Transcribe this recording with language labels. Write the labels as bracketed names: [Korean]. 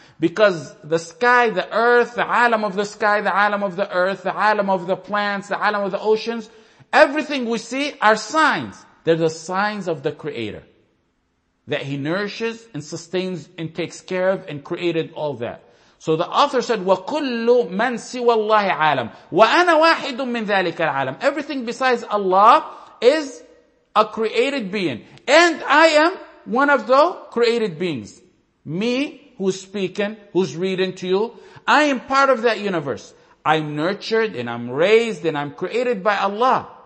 [English] Because the sky, the earth, the alam of the sky, the alam of the earth, the alam of the plants, the alam of the oceans, everything we see are signs. They're the signs of the Creator, that He nourishes and sustains and takes care of and created all that. So the author said, [Arabic] وَكُلُّ مَنْ سِوَى اللَّهِ عَالَمٌ وَأَنَا وَاحِدٌ مِّنْ ذَلِكَ الْعَالَمِ. [English] Everything besides Allah is a created being. And I am one of the created beings. Me, who's speaking, who's reading to you, I am part of that universe. I'm nurtured and I'm raised and I'm created by Allah.